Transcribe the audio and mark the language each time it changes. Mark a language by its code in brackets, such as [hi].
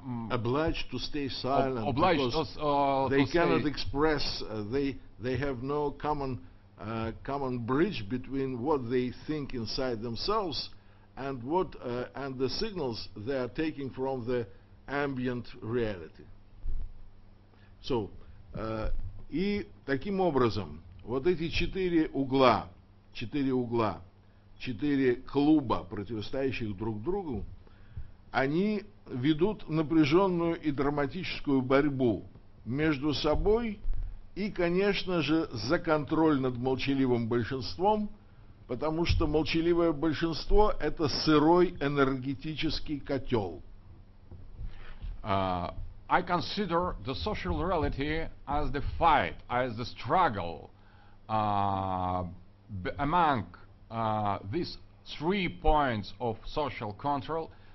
[en] obliged to stay silent because they cannot express. They have no common common bridge between what they think inside themselves and what and the signals they are taking from the ambient reality. [ru] So, и таким образом, вот эти четыре клуба, противостоящих друг другу, они ведут напряженную и драматическую борьбу между собой и, конечно же, за контроль над молчаливым большинством, потому что молчаливое большинство – это сырой энергетический котел. [en] I consider the social reality as the fight, as the struggle among these three points of social control,